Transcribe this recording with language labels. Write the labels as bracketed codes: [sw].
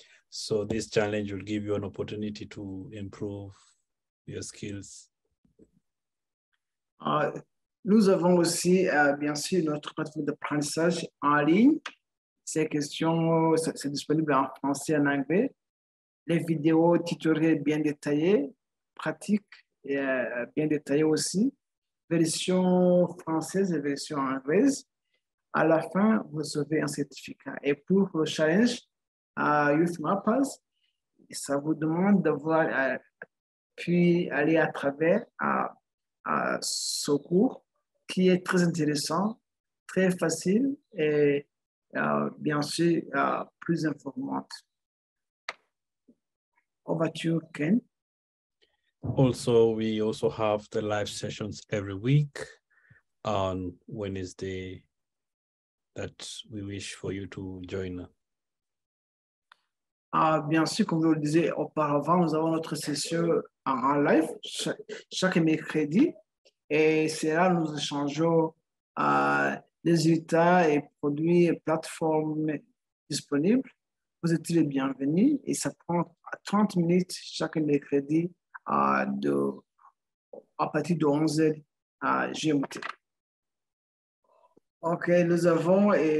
[en] So this challenge will give you an opportunity to improve your skills. [fr] Nous avons aussi, bien sûr, notre plateforme d'apprentissage en ligne. Ces questions, c'est disponible en français et en anglais. Les vidéos tutoriels bien détaillées, pratiques et bien détaillées aussi. Version française et version anglaise. À la fin, vous recevez un certificat. Et pour le challenge à YouthMappers, ça vous demande d'avoir pu aller à travers à ce cours qui est très intéressant, très facile et bien sûr, plus informante. [en] Over to you, Ken. Also, we also have the live sessions every week on Wednesday that we wish for you to join. [fr] Bien sûr, comme je le disais auparavant, nous avons notre session en live chaque mercredi et c'est là nous échangeons les résultats et produits et plateformes disponibles. Vous êtes les bienvenus et ça prend 30 minutes chaque mercredi à partir de 11h à GMT. OK, nous avons